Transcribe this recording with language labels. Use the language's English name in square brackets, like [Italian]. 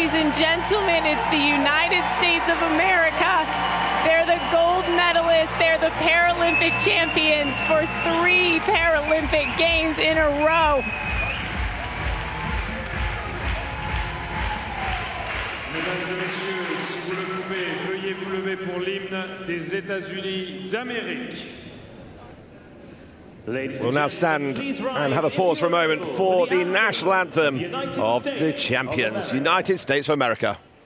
[English] Gentlemen, it's the United States of America. They're the gold medalists. They're the Paralympic champions for 3 Paralympic Games in a row. [French] Mesdames et messieurs, si vous le pouvez, veuillez vous lever pour l'hymne des États-Unis d'Amérique. [English] We'll now stand and have a pause for a moment for the national anthem of the champions, United States of America.